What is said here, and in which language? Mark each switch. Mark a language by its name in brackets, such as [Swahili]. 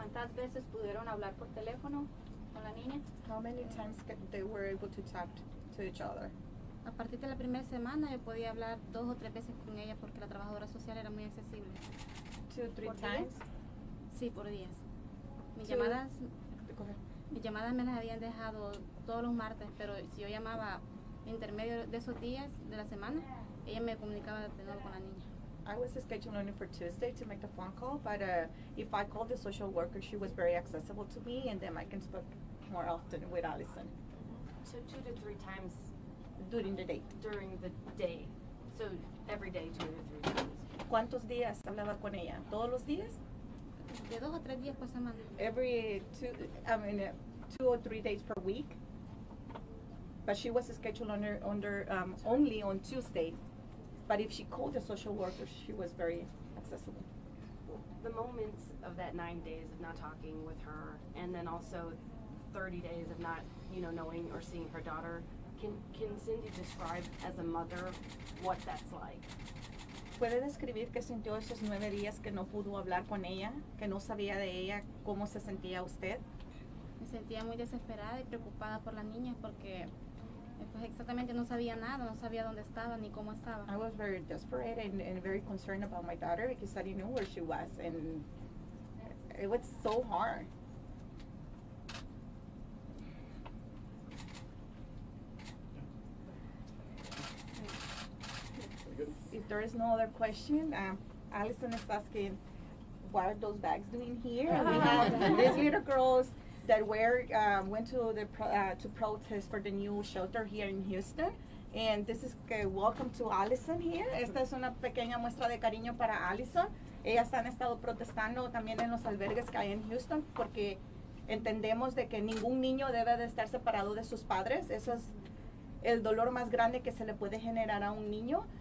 [Spanish] ¿Cuántas veces pudieron hablar por teléfono con la niña? [English] How many times they were able to talk to each other? [Spanish] A partir de la primera semana yo podía hablar dos o tres veces con ella porque la trabajadora social era muy accesible. [English] Two, three times? [Spanish] Sí, por días. Mis llamadas me las habían dejado todos los martes, pero si yo llamaba intermedio de esos días de la semana, ella me comunicaba de nuevo con la niña. [English] I was scheduled only for Tuesday to make the phone call, but if I called the social worker, she was very accessible to me, and then I can speak more often with Allison. So two to three times? During the day. During the day. So every day, two to three times. [Spanish] ¿Cuántos días hablaba con ella? ¿Todos los días? De dos o tres días por semana. [English] Every two or three days per week. But she was scheduled only on Tuesday. But if she called the social worker, she was very accessible. The moments of that 9 days of not talking with her, and then also 30 days of not, you know, knowing or seeing her daughter, can Cindy describe as a mother what that's like? [Spanish] ¿Puede describir qué sintió esos 9 días que no pudo hablar con ella, que no sabía de ella, cómo se sentía usted? Me sentía muy desesperada y preocupada por las niñas porque pues exactamente no sabía nada, no sabía dónde estaba ni cómo estaba. [English] I was very desperate and very concerned about my daughter because I didn't know where she was and it was so hard. If there is no other question, Allison is asking, what are those bags doing here? We have these little girls that went to the to protest for the new shelter here in Houston. And this is welcome to Allison here. [Spanish] Esta es una pequeña muestra de cariño para Allison. Ellas han estado protestando también en los albergues que hay en Houston porque entendemos de que ningún niño debe de estar separado de sus padres. Eso es el dolor más grande que se le puede generar a un niño.